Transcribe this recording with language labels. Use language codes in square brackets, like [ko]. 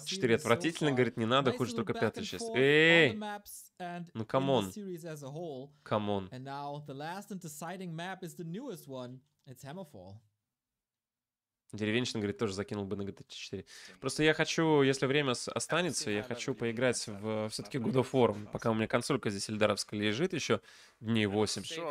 [ru] 4 отвратительно, говорит, не надо, хуже только 5 сейчас. Ну, камон. Камон. [en] And now the last and deciding map is the newest one. It's Hammerfall. [ru] Деревенщина, говорит, тоже закинул бы на GTA 4. Просто я хочу, если время останется, я хочу поиграть в все-таки God of War, пока у меня консолька здесь эльдаровская лежит еще дней 8.